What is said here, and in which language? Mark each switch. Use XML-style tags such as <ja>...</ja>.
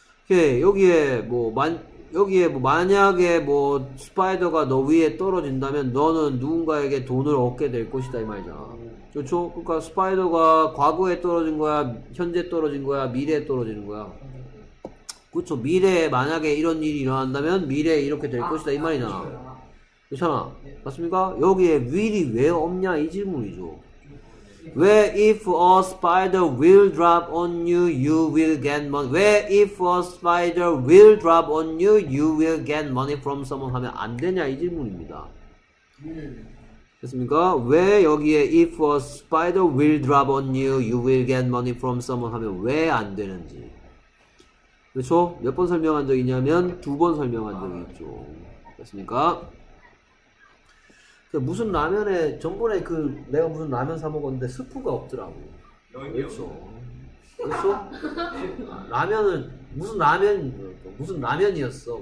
<ko>여기에 만약에 뭐 스파이더가 너 위에 떨어진다면 너는 누군가에게 돈을 얻게 될 것이다 이 말이잖아. 그렇죠? 그러니까 스파이더가 과거에 떨어진 거야, 현재 떨어진 거야, 미래에 떨어지는 거야. 그렇죠. 미래에 만약에 이런 일이 일어난다면 미래에 이렇게 될 것이다 이 말이잖아. 괜찮아. 맞습니까? 여기에 will이 왜 없냐 이 질문이죠.</ko> <en>Where if a spider will drop on you, you will get money. Where if a spider will drop on you, you will get money from someone</en> <ko>하면 안 되냐 이 질문입니다. 됐습니까? 왜 여기에</ko> <en>if a spider will drop on you, you will get money from someone</en> <ko>하면 왜 안 되는지. 그렇죠? 몇 번 설명한 적이 있냐면 두 번 설명한 적이 있죠. 됐습니까? 무슨 라면에 전번에 그 내가 무슨 라면 사 먹었는데 스프가 없더라고. 그렇죠. 그렇죠? 라면은 무슨 라면 무슨 라면이었어.</ko>